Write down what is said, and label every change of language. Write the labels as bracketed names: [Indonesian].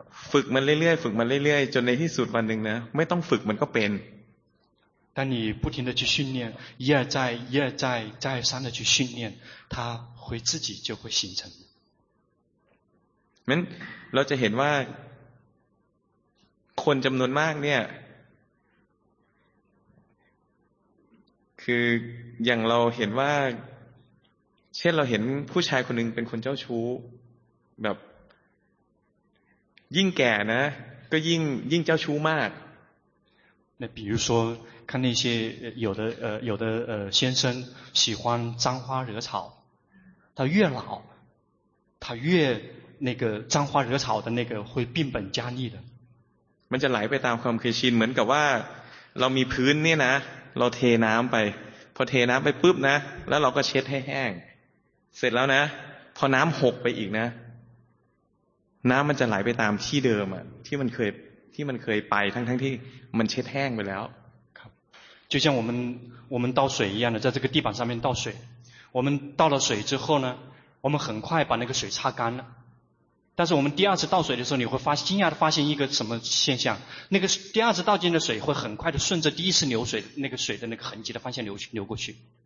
[Thai] ฝึกมันเรื่อยๆฝึกมันเรื่อยๆจนในที่สุดวันนึงนะไม่ต้องฝึกมันก็เป็น [Chinese] 当你不停的去训练一而再一而再再三的去训练它会自己就会形成 [Thai] มันเราจะเห็นว่าคนจำนวนมากเนี่ยคืออย่างเราเห็นว่าเช่นเราเห็นผู้ชายคนหนึ่งเป็นคนเจ้าชู้แบบยิ่งแก่นะก็ยิ่งเจ้าชู้มาก [Chinese] 那比如说看那些有的先生喜欢沾花惹草他越老他越那个沾花惹草的那个会变本加厉的 [Thai] มันจะไหลไปตามความเคยชินเหมือนกับว่าเรามีพื้นเนี่ยนะเราเทน้ำไปพอเทน้ำไปปุ๊บนะแล้วเราก็เช็ดให้แห้งเสร็จแล้วนะพอน้ำหกไปอีกนะน้ำมันจะไหลไปตามที่เดิมอ่ะที่มันเคยไปทั้งที่มันเช็ดแห้งไปแล้ว ครับ [Chinese] 就像我们倒水一样的在这个地板上面倒水我们倒了水之后呢我们很快把那个水擦干了但是我们第二次倒水的时候你会惊讶地发现一个什么现象那个第二次倒进的水会很快地顺着第一次流水那个水的那个痕迹的方向流过去